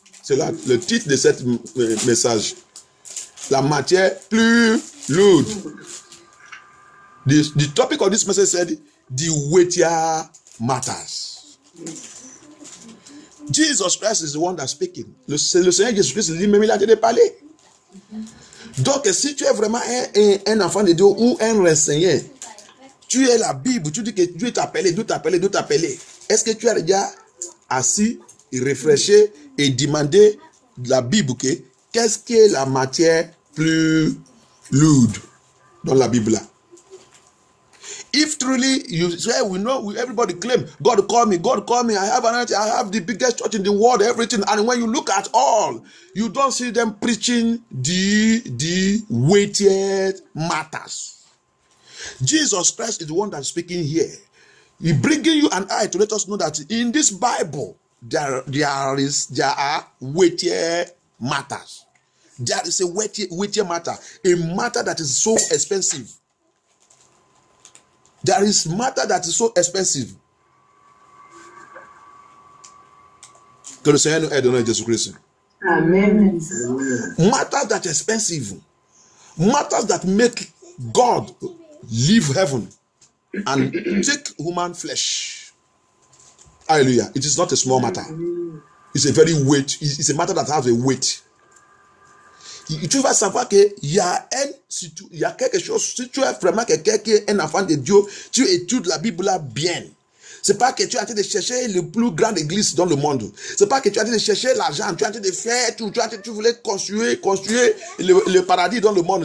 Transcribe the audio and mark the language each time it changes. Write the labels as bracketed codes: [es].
[fr] C'est là le titre de cette message. La matière plus lourde. [en] The topic of this message said the weightier matters. Jesus Christ is the one that's speaking. [fr] Le Seigneur Jésus-Christ lui-même il a déjà parlé. Donc si tu es vraiment un enfant de Dieu ou un renseigné, tu es la Bible, tu dis que Dieu t'a appelé, Dieu t'a appelé. Est-ce que tu as déjà assis, réfléchi et demandé la Bible que qu'est-ce qui est la matière plus lourde dans la Bible là? [en] If truly you say we know, everybody claim, God call me, I have an answer, I have the biggest church in the world, everything. And when you look at all, you don't see them preaching the weightier matters. Jesus Christ is the one that's speaking here. He bringing you and I to let us know that in this Bible, there are weightier matters. There is a weightier matter, a matter that is so expensive. There is matter that is so expensive. [fr] Que le Seigneur nous aide au nom de Jésus-Christ. Amen. [en] Matter that is expensive. Matters that make God leave heaven and take human flesh. Hallelujah. It is not a small matter. It's a very weight. It's a matter that has a weight. [fr] Tu vas savoir que il y a quelque chose. Si tu es vraiment quelqu'un qui est un enfant de Dieu, tu étudies la Bible bien. C'est pas que tu es en train de chercher le plus grand église dans le monde. C'est pas que tu es en train de chercher l'argent. Tu es en train de faire tout. Tu voulais construire le paradis dans le monde.